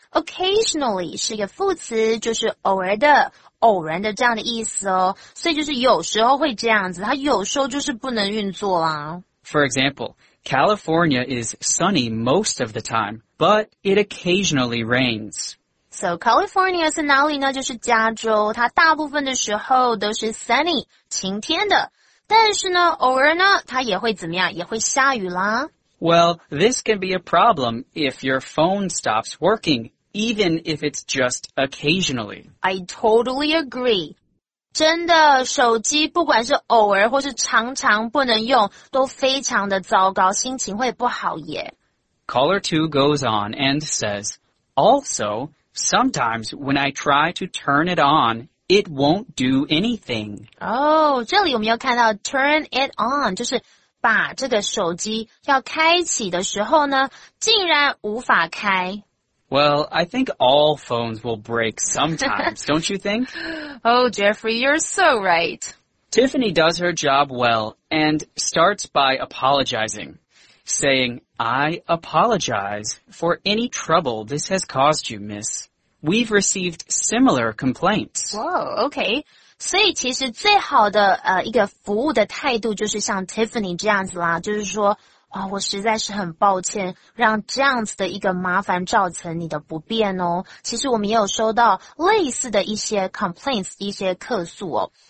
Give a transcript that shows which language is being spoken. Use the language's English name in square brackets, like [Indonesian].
[Chinese] Occasionally 是一个副词，就是偶尔的、偶然的这样的意思哦。所以就是有时候会这样子，它有时候就是不能运作啦。 [English] For example, California is sunny most of the time, but it occasionally rains. [Chinese] So California 是哪里呢？就是加州，它大部分的时候都是 sunny 晴天的，但是呢，偶尔呢，它也会怎么样？也会下雨啦。 [English] Well, this can be a problem if your phone stops working, even if it's just occasionally. I totally agree. [Chinese] 真的，手机不管是偶尔或是常常不能用，都非常的糟糕，心情会不好耶。 [English] Caller 2 goes on and says, Also, sometimes when I try to turn it on... It won't do anything. [Chinese] Oh, 这里我们要看到 turn it on, 就是把这个手机要开启的时候呢，竟然无法开。 [English] Well, I think all phones will break sometimes, don't you think? Oh, Jeffrey, you're so right. Tiffany does her job well and starts by apologizing, saying, I apologize for any trouble this has caused you, miss. We've received similar complaints. Wow, okay. [Chinese] 所以其实最好的一个服务的态度就是像 Tiffany 这样子啦，就是说啊，我实在是很抱歉，让这样子的一个麻烦造成你的不便哦。其实我们也有收到类似的一些 complaints, 一些客诉哦。